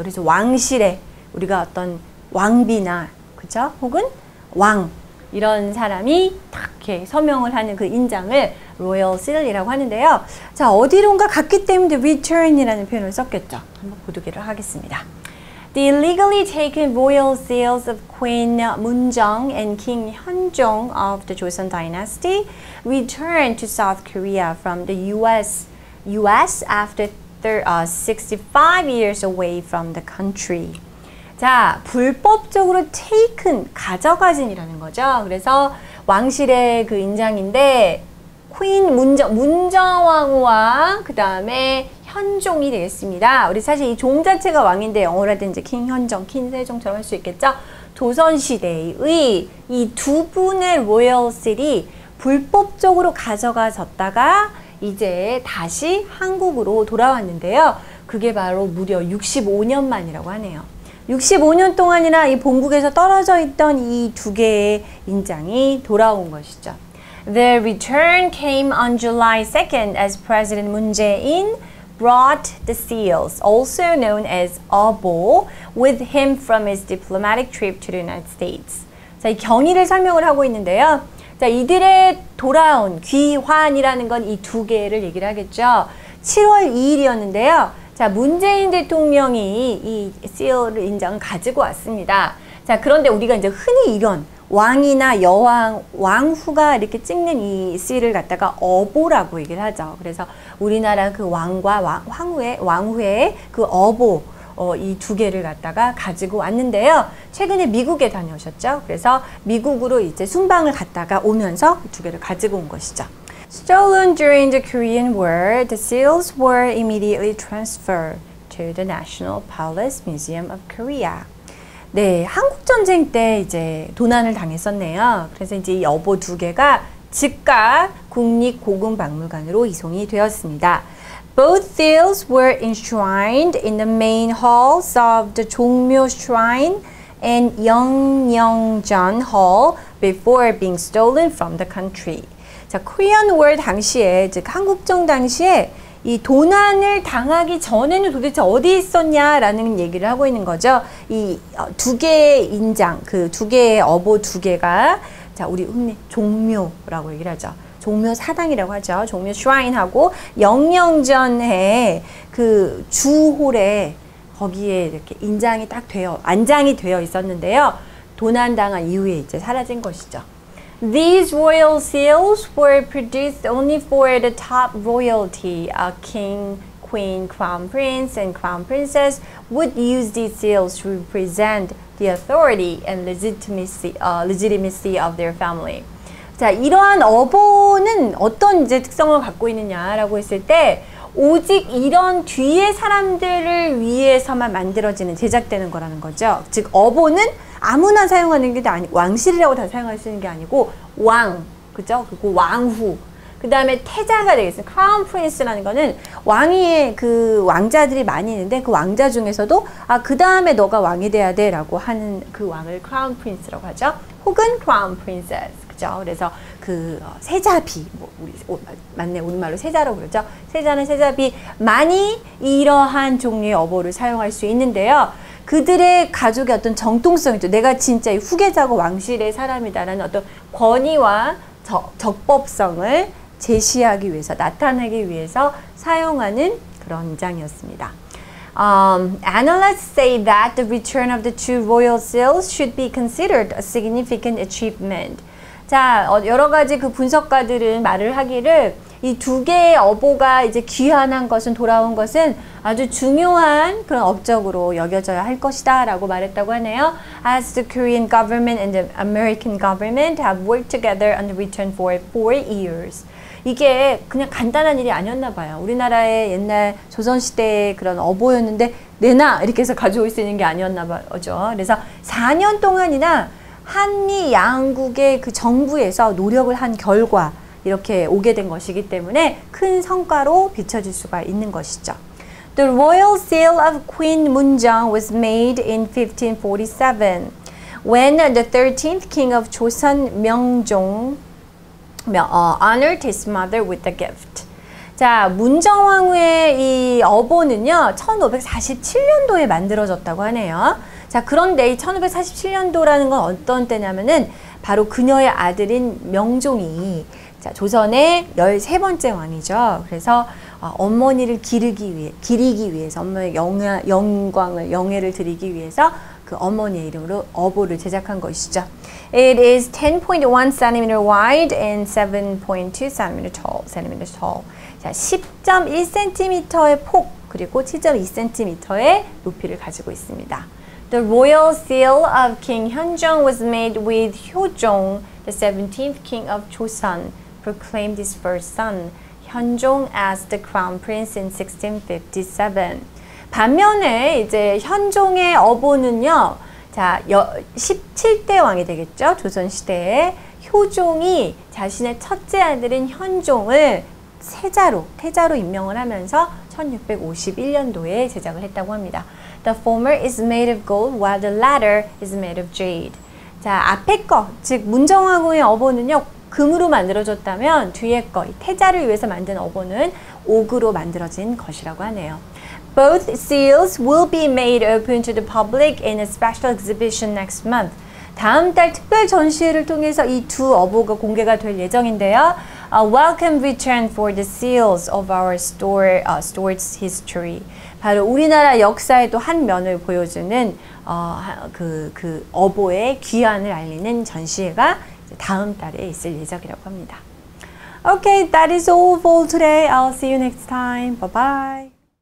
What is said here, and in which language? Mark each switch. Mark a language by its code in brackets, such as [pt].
[ko] 그래서 왕실에 우리가 어떤 왕비나 그쵸? 혹은 왕 이런 사람이 탁 이렇게 서명을 하는 그 인장을 Royal Seal이라고 하는데요. 자, 어디론가 갔기 때문에 Return이라는 표현을 썼겠죠. 한번 보도기를 하겠습니다. [en] The illegally taken royal seals of Queen Munjeong and King Hyunjong of the Joseon Dynasty returned to South Korea from the U.S. after 65 years away from the country. [ko] 자, 불법적으로 taken, 가져가진이라는 거죠. 그래서 왕실의 그 인장인데 Queen 문정왕후와 그 다음에 현종이 되겠습니다. 우리 사실 이 종 자체가 왕인데 영어라든지 킹 현종, 킹 세종처럼 할 수 있겠죠? 조선시대의 이 두 분의 로열 실이 불법적으로 가져가졌다가 이제 다시 한국으로 돌아왔는데요. 그게 바로 무려 65년 만이라고 하네요. 65년 동안이나 이 본국에서 떨어져 있던 이 두 개의 인장이 돌아온 것이죠. [en] The return came on July 2nd as President Moon Jae-in brought the seals, also known as Obo, with him from his diplomatic trip to the United States. [ko] 자, 이 경위를 설명을 하고 있는데요. 자, 이들의 돌아온, 귀환이라는 건 이 두 개를 얘기를 하겠죠. 7월 2일이었는데요. 자, 문재인 대통령이 이 seal 인장을 가지고 왔습니다. 자, 그런데 우리가 이제 흔히 이건 왕이나 여왕, 왕후가 이렇게 찍는 이 씨를 갖다가 어보라고 얘기를 하죠. 그래서 우리나라 그 왕과 왕후의 그 어보 이 두 개를 갖다가 가지고 왔는데요. 최근에 미국에 다녀오셨죠. 그래서 미국으로 이제 순방을 갔다가 오면서 두 개를 가지고 온 것이죠. [en] Stolen during the Korean War, the seals were immediately transferred to the National Palace Museum of Korea. [ko] 네, 한국 전쟁 때 이제 도난을 당했었네요. 그래서 이제 이 여보 두 개가 즉각 국립 고궁 박물관으로 이송이 되었습니다. [en] Both seals were enshrined in the main halls of the Jongmyo Shrine and Yeongnyeongjeon Hall before being stolen from the country. [ko] 자, Korean War 당시에 즉 한국전 당시에 이 도난을 당하기 전에는 도대체 어디 있었냐라는 얘기를 하고 있는 거죠. 이 두 개의 인장, 그 두 개의 어보 두 개가 자, 우리 흔히 종묘라고 얘기를 하죠. 종묘 사당이라고 하죠. 종묘 슈라인하고 영영전에 그 주홀에 거기에 이렇게 인장이 딱 되어 안장이 되어 있었는데요. 도난 당한 이후에 이제 사라진 것이죠. [en] These royal seals were produced only for the top royalty. A king, queen, crown prince, and crown princess would use these seals to represent the authority and legitimacy of their family. [ko] 자, 이러한 어보는 어떤 이제 특성을 갖고 있느냐라고 했을 때 오직 이런 뒤에 사람들을 위해서만 만들어지는, 제작되는 거라는 거죠. 즉, 어보는 아무나 사용하는 게 아니, 왕실이라고 다 사용할 수 있는 게 아니고 왕, 그죠? 그리고 왕후, 그 다음에 태자가 되겠습니다. Crown Prince라는 거는 왕위에 그 왕자들이 많이 있는데 그 왕자 중에서도 아, 그 다음에 너가 왕이 돼야 돼 라고 하는 그 왕을 Crown Prince라고 하죠. 혹은 Crown Princess, 그죠? 그래서 그 세자비, 뭐 우리 맞네, 우리말로 세자라고 그러죠. 세자는 세자비, 많이 이러한 종류의 어보를 사용할 수 있는데요. 그들의 가족의 어떤 정통성이죠. 내가 진짜 이 후계자고 왕실의 사람이다라는 어떤 권위와 적법성을 제시하기 위해서, 나타내기 위해서 사용하는 그런 장이었습니다. [en] Analysts say that the return of the two royal seals should be considered a significant achievement. [ko] 자, 여러 가지 그 분석가들은 말을 하기를 이 두 개의 어보가 이제 귀환한 것은, 돌아온 것은 아주 중요한 그런 업적으로 여겨져야 할 것이다 라고 말했다고 하네요. [en] As the Korean government and the American government have worked together on the return for 4 years. [ko] 이게 그냥 간단한 일이 아니었나 봐요. 우리나라의 옛날 조선시대의 그런 어보였는데 내놔 이렇게 해서 가져올 수 있는 게 아니었나 봐요. 그래서 4년 동안이나 한미 양국의 그 정부에서 노력을 한 결과 이렇게 오게 된 것이기 때문에 큰 성과로 비춰질 수가 있는 것이죠. [en] The royal seal of Queen Munjeong was made in 1547 when the 13th king of Joseon, Myeongjong, honored his mother with the gift. [ko] 자, 문정왕후의 이 어보는요, 1547년도에 만들어졌다고 하네요. 자, 그런데 이 1547년도라는 건 어떤 때냐면은 바로 그녀의 아들인 명종이 자, 조선의 13번째 왕이죠. 그래서 어머니를 기리기 위해서 엄마의 영광을 드리기 위해서 그 어머니의 이름으로 어보를 제작한 것이죠. [en] It is 10.1 cm wide and 7.2 cm tall. [ko] 자, 10.1cm의 폭 그리고 7.2cm의 높이를 가지고 있습니다. [en] The royal seal of King Hyunjong was made with Hyojong, the 17th king of Joseon, proclaimed his first son, Hyunjong, as the crown prince in 1657. [ko] 반면에 이제 현종의 어보는요, 자, 17대 왕이 되겠죠? 조선 시대에 효종이 자신의 첫째 아들인 현종을 태자로 임명을 하면서 1651년도에 제작을 했다고 합니다. [en] The former is made of gold while the latter is made of jade. [ko] 자, 앞에 거, 즉 문정왕후의 어보는요, 금으로 만들어졌다면 뒤에 거, 이 태자를 위해서 만든 어보는 옥으로 만들어진 것이라고 하네요. [en] Both seals will be made open to the public in a special exhibition next month. [ko] 다음 달 특별 전시회를 통해서 이 두 어보가 공개가 될 예정인데요. [en] A welcome return for the seals of our store's history. [ko] 바로 우리나라 역사의 또 한 면을 보여주는 그 어보의 귀환을 알리는 전시회가 다음 달에 있을 예정이라고 합니다. [en] Okay, that is all for today. I'll see you next time. Bye-bye.